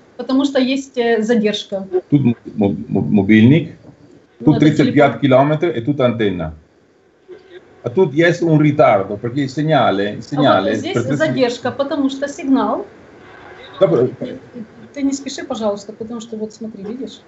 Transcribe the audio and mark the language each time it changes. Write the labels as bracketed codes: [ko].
[ru] Потому что есть задержка. Тут мобильник, тут 35 км и тут антенна. А тут есть [it] un ritardo, perché il segnale, [ru] А вот здесь задержка, потому что сигнал. Добро. Ты не спеши, пожалуйста, потому что вот смотри, видишь?